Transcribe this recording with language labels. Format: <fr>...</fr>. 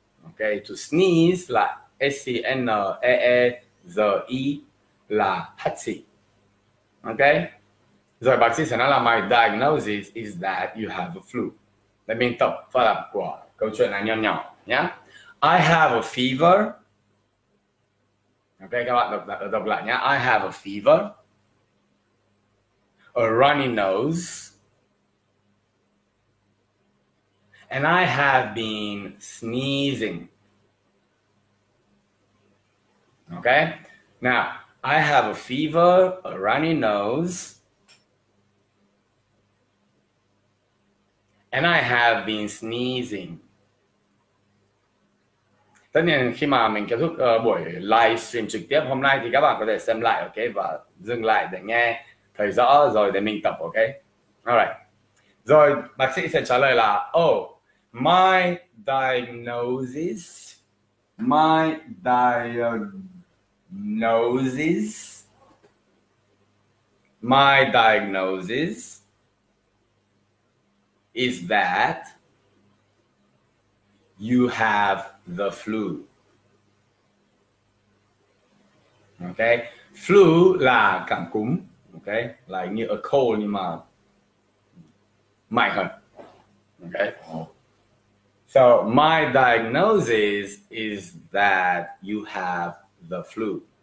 <vi>Ok,</vi> <en>to sneeze</en> <vi>là S-E-N-E-E-Z-E là hắt xì.</vi> <en>Ok,</en> <vi>rồi bác sĩ sẽ nói là</vi> <en>my diagnosis is that you have a flu.</en> <vi>Để mình tập phát lập của câu chuyện này nhỏ nhỏ nhé.</vi> <en>I have a fever. Ok,</en> <vi>các bạn đọc lại nhé.</vi> <en>I have a fever, a runny nose, and I have been sneezing. Ok, now, I have a fever, a runny nose, and I have been sneezing.</en> <vi>Tất nhiên khi mà mình kết thúc buổi livestream trực tiếp hôm nay thì các bạn có thể xem lại, ok, và dừng lại để nghe thầy rõ rồi để mình tập, ok?</vi> <en>Alright.</en> <vi>Rồi bác sĩ sẽ trả lời là</vi> <en>my diagnosis is that you have the flu.</en> <vi>Ok, flu là cảm cúm, ok, là như</vi> <en>a cold</en> <vi>nhưng mà mạnh hơn.</vi> <en>Ok, so my diagnosis is that you have the flu.</en>